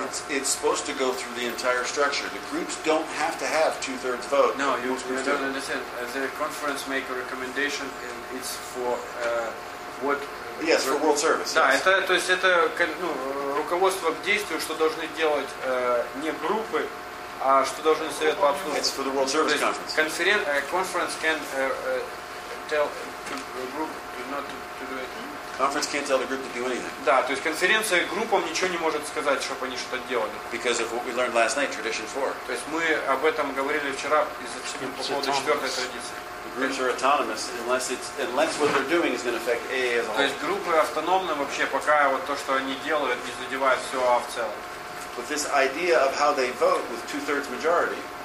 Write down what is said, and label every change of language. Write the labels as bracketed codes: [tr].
[en] It's supposed to go through the entire structure. The groups don't have to have two-thirds vote. No, you don't understand. The conference make a recommendation, and it's for what? Yes, for World Service. [ru] Да, [en] yes. [ru] Это, то есть это, ну, руководство к действию, что должны делать не группы, а что должны совет по обслуживанию. [en] It's for the World Service Conference. Conference can tell to group not to do it. Conference can't tell the group to do anything. [ru] Да, то есть конференция группам ничего не может сказать, чтобы они что-то делали. [en] Because of what we learned last night, tradition four. [ru] То есть мы об этом говорили вчера из-за по поводу четвертой традиции. [en] Groups are autonomous unless what they're doing is going to affect AA as a whole. [ru] То есть группы автономны вообще, пока вот то, что они делают, не задевает все АА в целом. [en] But this idea of how they vote with two-thirds majority.